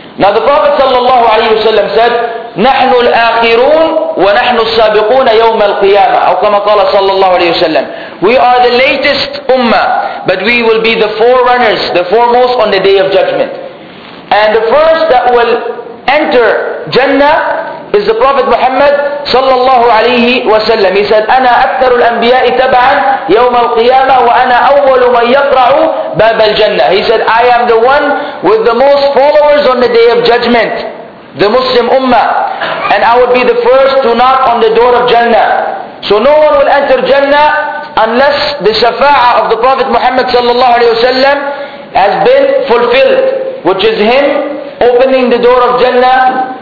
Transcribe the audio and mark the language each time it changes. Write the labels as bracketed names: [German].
[English] Now the Prophet sallallahu alayhi wasallam said, [Arabic] نَحْنُ الْآخِرُونَ وَنَحْنُ السَّابِقُونَ يَوْمَ الْقِيَامَةِ أو كما قال صلى الله عليه وسلم, [English] we are the latest ummah, but we will be the forerunners, the foremost on the Day of Judgment. And the first that will enter Jannah is the Prophet Muhammad صلى الله عليه وسلم. [Arabic] He said, أنا أكثر الأنبياء تبعا يوم القيامة وأنا أول من يقرع باب الجنة. [English] He said, I am the one with the most followers on the Day of Judgment, the Muslim Ummah, and I will be the first to knock on the door of Jannah. So no one will enter Jannah unless the Shafa'a of the Prophet Muhammad صلى الله عليه وسلم has been fulfilled, which is him opening the door of Jannah.